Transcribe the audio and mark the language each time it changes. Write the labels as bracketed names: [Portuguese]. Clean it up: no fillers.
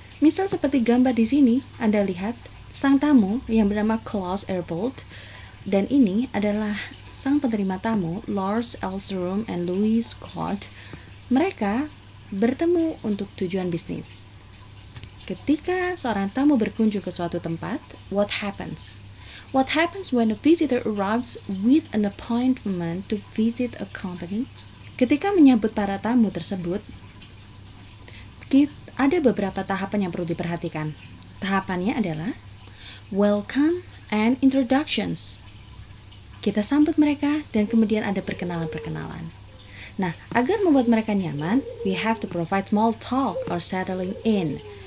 [Indonesian] Misal seperti gambar di sini, Anda lihat sang tamu yang bernama Klaus Erbold, dan ini adalah sang penerima tamu, Lars Elstrom and Louis Scott. Mereka bertemu untuk tujuan bisnis. Ketika seorang tamu berkunjung ke suatu tempat, [English] what happens? What happens when a visitor arrives with an appointment to visit a company? [Indonesian] Ketika menyambut para tamu tersebut, ada beberapa tahapan yang perlu diperhatikan. Tahapannya adalah [English] welcome and introductions. [Indonesian] Kita sambut mereka dan kemudian ada perkenalan-perkenalan. Nah, agar membuat mereka nyaman, [English] we have to provide small talk or settling in.